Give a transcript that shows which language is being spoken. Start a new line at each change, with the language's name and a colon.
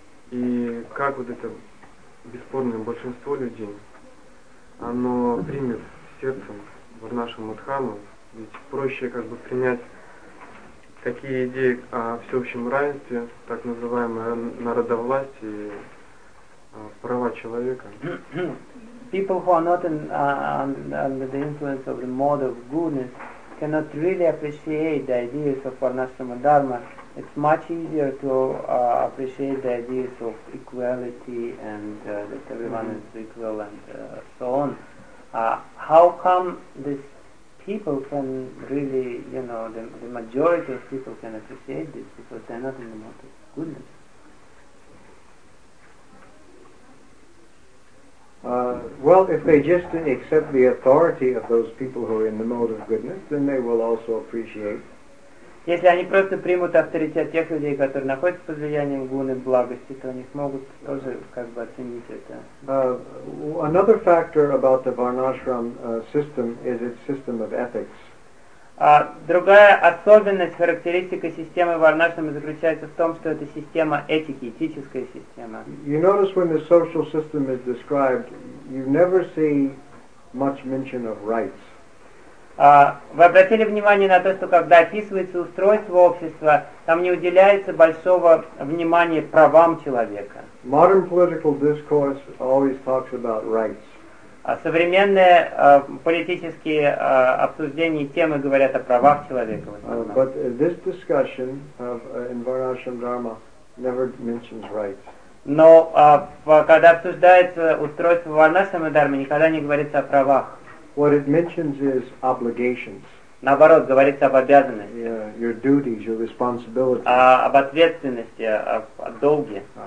Russian: И как вот это бесспорное большинство людей, оно примет сердцем варнашраму и дхарму, ведь проще как бы принять такие идеи о всеобщем равенстве, так называемой народовласти и права человека.
English: People who are not under the influence of the mode of goodness cannot really appreciate the ideas of Varnashrama Dharma. It's much easier to appreciate the ideas of equality and that everyone is equal and so on. How come these people can really, you know, the majority of people can appreciate this because they're not in the mode of goodness? Well, if they just accept the authority of those people who are in the mode of goodness, then they will also appreciate
Russian: Если они просто примут авторитет тех людей, которые находятся под влиянием гуны благости, то они смогут тоже как бы оценить это.
English: Another factor about the Varnashram system is its system of ethics.
Russian: Другая особенность, характеристика системы Варнашрама заключается в том, что это система этики, этическая система.
English: You notice when the social system is described, you never see much mention of rights.
Russian: Вы обратили внимание на то, что когда описывается устройство общества, там не уделяется большого внимания правам человека.
English: Modern political discourse always talks about rights.
Russian: Современные политические обсуждения и темы говорят о правах человека.
English: But this discussion of in Varnashram Dharma never mentions rights.
Russian: Но когда обсуждается устройство Варнашрама Дхармы, никогда не говорится о правах.
English: What it mentions is obligations.
Russian: Наоборот, говорится об обязанностях.
English: Yeah, your duties, your responsibilities.
Russian: Об ответственности, о долге.